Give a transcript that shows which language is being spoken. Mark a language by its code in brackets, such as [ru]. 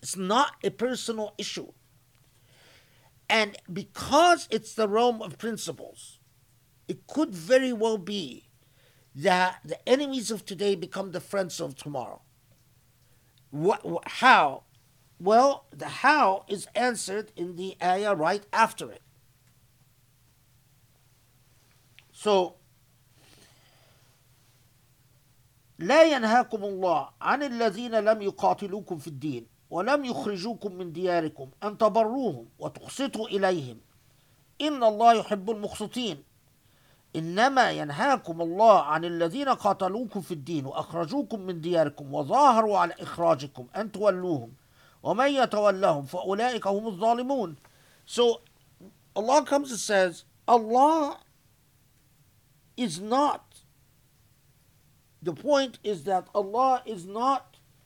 [en] It's not a personal issue. And because it's the realm of principles, it could very well be that the enemies of today become the friends of tomorrow. How? Well, the how is answered in the ayah right after it. [ar] So, لا ينهاكم الله عن الذين لم يقاتلوكم في الدين ولم يخرجوكم من دياركم أن تبروهم وتقسطوا إليهم إن الله يحب المقسطين إنما ينهاكم الله عن الذين قاتلوكم في الدين وأخرجوكم من دياركم وظاهروا على إخراجكم أن تولوهم ومن يتولهم فأولئك هم الظالمون. [en] So Allah comes and says, Allah is not, the point is that Allah is not